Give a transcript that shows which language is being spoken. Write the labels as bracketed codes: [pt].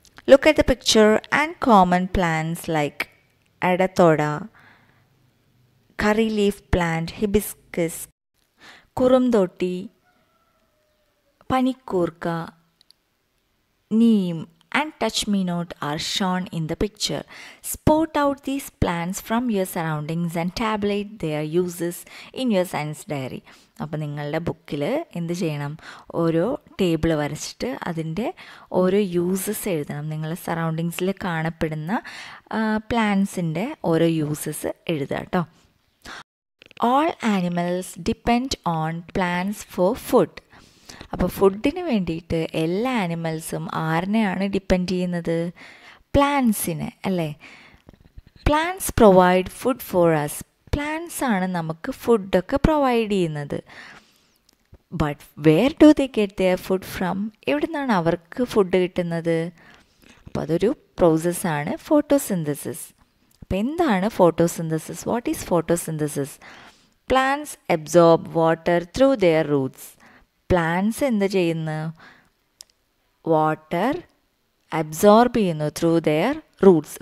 [en] Look at the picture and common plants like adathoda, curry leaf plant, hibiscus, kurunthotti, panikkoorkka, neem and touch me note are shown in the picture. Spot out these plants from your surroundings and tabulate their uses in your science diary. [ml] അപ്പോൾ നിങ്ങളുടെ ബുക്കിൽ എന്ത് ചെയ്യണം? ഓരോ table വരച്ചിട്ട് അതിൻ്റെ ഓരോ യൂസസ് എഴുതണം. നിങ്ങളുടെ സറൗണ്ടിങ്സിൽ കാണപ്പെടുന്ന പ്ലാന്റ്സിൻ്റെ ഓരോ യൂസസ് എഴുതുക കേട്ടോ. [en] All animals depend on plants for food. [ml] അപ്പോൾ ഫുഡിന് വേണ്ടിയിട്ട് എല്ലാ ആനിമൽസും ആരിനെയാണ് ഡിപ്പെൻഡ് ചെയ്യുന്നത്? പ്ലാന്റ്സിനെ അല്ലേ. [en] Plants provide food for us. [ml] Plants ആണ് നമുക്ക് ഫുഡൊക്കെ പ്രൊവൈഡ് ചെയ്യുന്നത്. [en] But where do they get their food from? [ml] എവിടുന്നാണ് അവർക്ക് ഫുഡ് കിട്ടുന്നത്? അപ്പോൾ അതൊരു പ്രോസസ്സാണ് ഫോട്ടോസിന്തസിസ്. അപ്പോൾ എന്താണ് photosynthesis? [en] What is photosynthesis? Plants absorb water through their roots. [ml] Plants എന്ത് ചെയ്യുന്നു? വാട്ടർ അബ്സോർബ് ചെയ്യുന്നു [en] Through their roots.